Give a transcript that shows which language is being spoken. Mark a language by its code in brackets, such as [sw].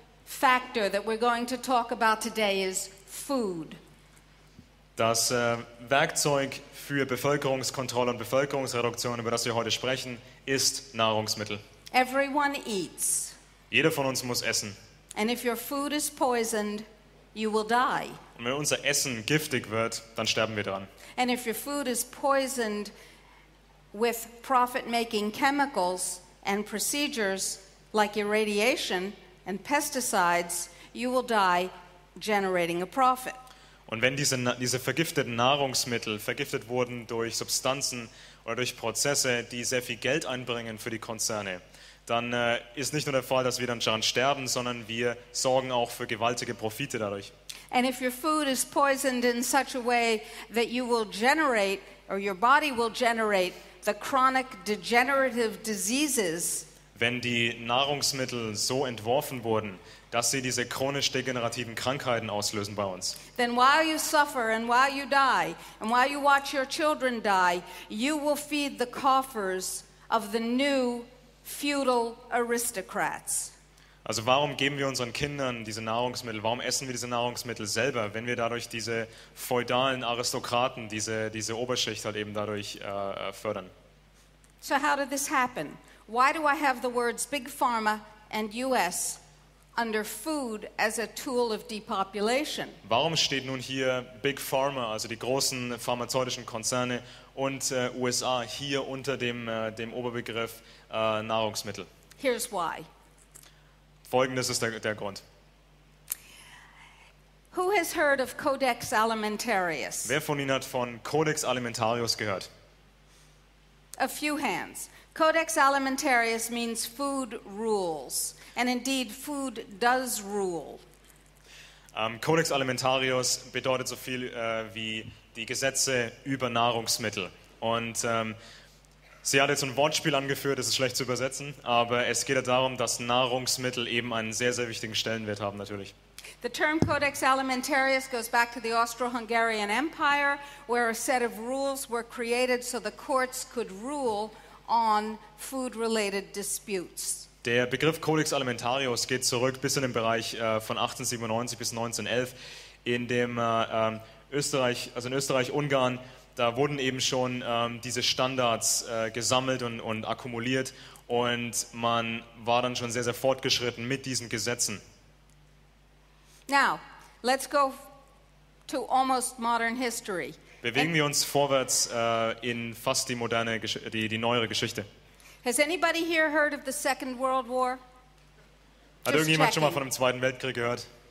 [en] factor that we're going to talk about today is food. [de] Das Werkzeug für Bevölkerungskontrolle und Bevölkerungsreduktion, über das wir heute sprechen, ist Nahrungsmittel. [en] Everyone eats. [de] Jeder von uns muss essen. [en] And if your food is poisoned, you will die. [de] Und wenn unser Essen giftig wird, dann sterben wir dran. [en] And if your food is poisoned with profit-making chemicals and procedures like irradiation and pesticides, you will die generating a profit. [de] Und wenn diese vergifteten Nahrungsmittel vergiftet wurden durch Substanzen oder durch Prozesse, die sehr viel Geld einbringen für die Konzerne, dann ist nicht nur der Fall, dass wir dann daran sterben, sondern wir sorgen auch für gewaltige Profite dadurch. [en] And if your food is poisoned in such a way that you will generate or your body will generate the chronic degenerative diseases. [de] Wenn die Nahrungsmittel so entworfen wurden, dass sie diese chronisch degenerativen Krankheiten auslösen bei uns. [en] Then while you suffer and while you die and while you watch your children die, you will feed the coffers of the new feudal aristocrats. [de] Also warum geben wir unseren Kindern diese Nahrungsmittel? Warum essen wir diese Nahrungsmittel selber, wenn wir dadurch diese feudalen Aristokraten, diese Oberschicht halt eben dadurch fördern? [en] So how did this happen? Why do I have the words Big Pharma and US under food as a tool of depopulation? [de] Warum steht nun hier Big Pharma, also die großen pharmazeutischen Konzerne und USA hier unter dem Oberbegriff Nahrungsmittel? [en] Here's why. [de] Folgendes ist der Grund. [en] Who has heard of Codex Alimentarius? [de] Wer von Ihnen hat von Codex Alimentarius gehört? [en] A few hands. Codex Alimentarius means food rules. And indeed, food does rule. [de] Codex Alimentarius bedeutet so viel wie die Gesetze über Nahrungsmittel. Und sie hat jetzt ein Wortspiel angeführt, das ist schlecht zu übersetzen, aber es geht ja darum, dass Nahrungsmittel eben einen sehr, sehr wichtigen Stellenwert haben, natürlich. [en] The term Codex Alimentarius goes back to the Austro-Hungarian Empire, where a set of rules were created so the courts could rule on food-related disputes. [de] Der Begriff Codex Alimentarius geht zurück bis in den Bereich von 1897 bis 1911, in dem Österreich, also in Österreich-Ungarn, da wurden eben schon diese Standards gesammelt und akkumuliert und man war dann schon sehr, sehr fortgeschritten mit diesen Gesetzen. [en] Now, let's go to almost modern history. [de] Bewegen wir uns vorwärts in fast die moderne, die neuere Geschichte. [en] Has anybody here heard of the Second World War? [de] Hat irgendjemand schon mal von dem Zweiten Weltkrieg gehört?